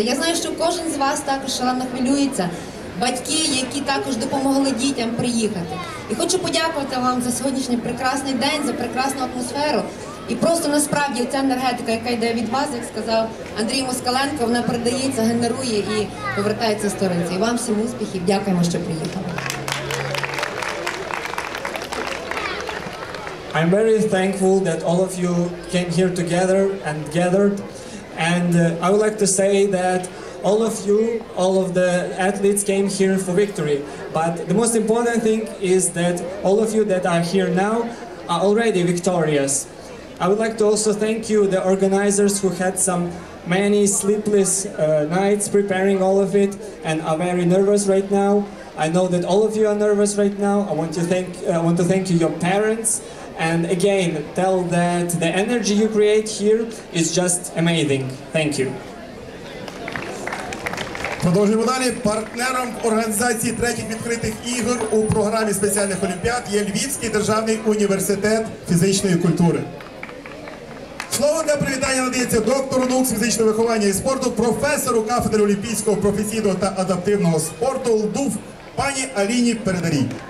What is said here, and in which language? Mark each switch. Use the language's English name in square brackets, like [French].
[Ukrainian] Я знаю, що кожен з вас також шалено хвилюється. Батьки, які також допомогли дітям приїхати. І хочу подякувати вам за сьогоднішній прекрасний день, за прекрасну атмосферу. І просто насправді ця енергетика, яка йде від вас, як сказав Андрій Москаленко, вона передається, генерує і повертається сторінці. І вам всім успіхів, дякуємо, що приїхали. [English] I'm very thankful that all of you came here together and gathered. And I would like to say that all of you, all of the athletes came here for victory. But the most important thing is that all of you that are here now are already victorious. I would like to also thank you, the organizers who had some many sleepless nights preparing all of it and are very nervous right now. I know that all of you are nervous right now. I want to thank you, your parents. And again, tell that the energy you create here is just amazing. Thank you. [Ukrainian] Продовжуємо далі. Партнером організації третіх відкритих ігор у програмі спеціальних олімпіад є Львівський державний університет фізичної культури. Слово для привітання надається доктору наук з фізичного виховання і спорту, професору кафедри олімпійського професійного та адаптивного спорту ЛДУФ пані Аліні Передарій.